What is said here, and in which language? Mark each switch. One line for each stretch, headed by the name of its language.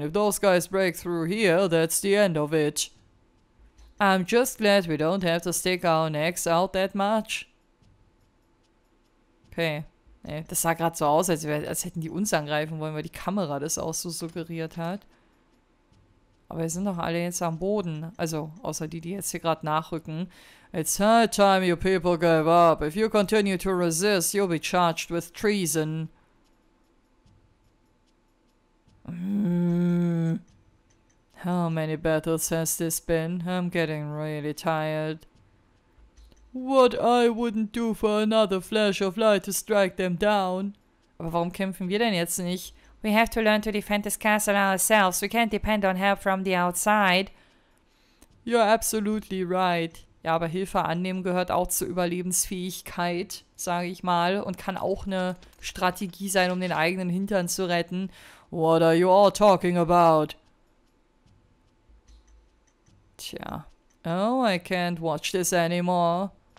English: If those guys break through here, that's the end of it. I'm just glad we don't have to stick our necks out that much. Okay.
German: Nee, das sah gerade so aus, als hätten die uns angreifen wollen, weil die Kamera das auch so suggeriert hat. Aber wir sind doch alle jetzt am Boden. Also, außer die, die jetzt hier gerade nachrücken.
English: It's high time you people gave up. If you continue to resist, you'll be charged with treason. How many battles has this been? I'm getting really tired. What I wouldn't do for another flash of light to strike them down.
German: Aber warum kämpfen wir denn jetzt nicht?
English: We have to learn to defend this castle ourselves. We can't depend on help from the outside. You're absolutely right.
German: Ja, aber Hilfe annehmen gehört auch zur Überlebensfähigkeit, sage ich mal, und kann auch eine Strategie sein, um den eigenen Hintern zu retten.
English: What are you all talking about? Tja. Oh, I can't watch this anymore.